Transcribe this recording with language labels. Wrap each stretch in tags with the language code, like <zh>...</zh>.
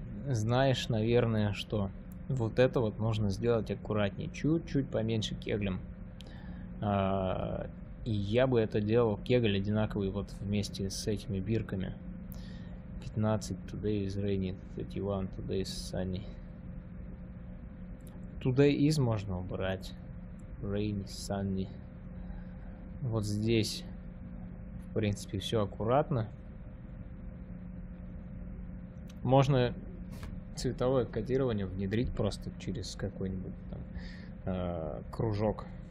<ru>Знаешь, наверное, что Вот это вот нужно сделать аккуратнее, чуть-чуть поменьше кеглем. Я бы это делал кегль одинаковый вот вместе с этими бирками.</ru> <en>15 today is rainy, 31 today is sunny. Today is</en> <ru>можно убрать.</ru> <en>Rainy, sunny.</en> <ru>Вот здесь, в принципе, все аккуратно. Можно цветовое кодирование внедрить просто через какой-нибудь там кружок.</ru>